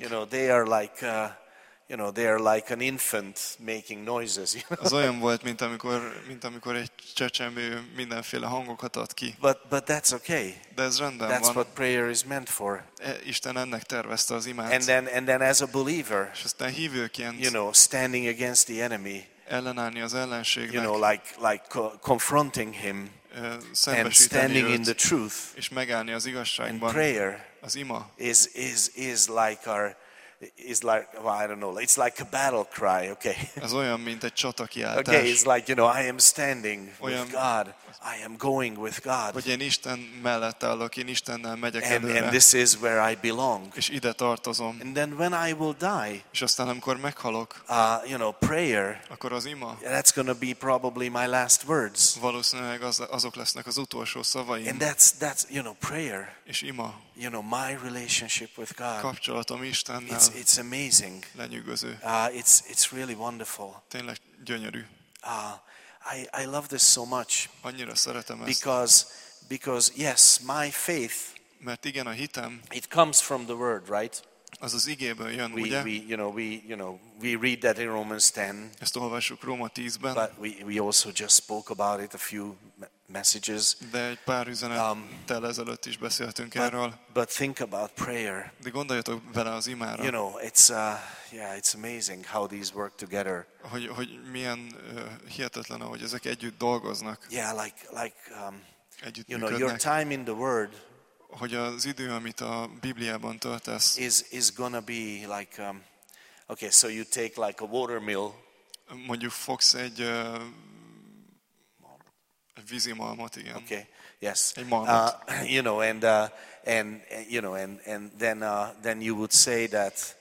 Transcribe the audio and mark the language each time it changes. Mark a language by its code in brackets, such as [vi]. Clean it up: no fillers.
[en] You know, they are like, you know, they are like an infant making noises. You know? [hu] Az olyan volt, mint amikor egy csecsemő mindenféle hangokat ad ki. [en] But that's okay. [hu] De ez rendben [en] that's [hu] van. [en] What prayer is meant for. [hu] Isten ennek tervezte az imát. [en] And then as a believer, [hu] és aztán hívőként, [en] you know, standing against the enemy, [hu] ellenállni az ellenségnek, [en] you know, like confronting him, and standing [hu] őt, [en] in the truth, [hu] és megállni az igazságban, [en] and prayer, [hu] az ima, [en] is like our, is like, well, I don't know, it's like a battle cry, okay? [hu] Ez olyan, mint egy csata kiáltás. [en] Okay, it's like, you know, I am standing [hu] olyan, [en] with God. I am going with God. [hu] Hogy én Isten mellett állok, én Istennel megyek előre. [en] And this is where I belong. [hu] És ide tartozom. [en] And then when I will die, [hu] és aztán amikor meghalok, [en] you know, prayer, [hu] akkor az ima, [en] that's going to be probably my last words. [hu] Valószínűleg azok lesznek az utolsó szavaim. [en] And that's, you know, prayer, [hu] és ima, [en] you know, my relationship with God, [hu] kapcsolatom Istennel, [en] it's amazing. [hu] Lenyűgöző. [en] It's really wonderful. [hu] Tényleg gyönyörű. [en] I love this so much. [hu] Annyira szeretem ezt. [en] Because yes, my faith, [hu] mert igen, a hitem, [en] it comes from the word, right? [hu] Az az igéből jön, [en] we, [hu] ugye? [en] We read that in Romans 10. [hu] Ezt olvassuk Róma 10-ben. [en] But we also just spoke about it a few messages. [hu] De egy pár üzenettel ezelőtt is beszéltünk erről. [en] But think about prayer. [hu] De gondoljatok vele az imára. [en] You know, it's amazing how these work together. [hu] Hogy milyen hihetetlen, ahogy ezek együtt dolgoznak. [en] Yeah, like [hu] együtt, [en] you know, [hu] működnek. [en] Your time in the word, [hu] hogy az idő, amit a Bibliában töltesz, [en] is gonna be like, okay, so you take like a water mill, [hu] mondjuk fogsz egy vízi malmot, igen. [en] Okay, yes. [hu] Egy malmot. [en] You know, and you know, and then you would say that,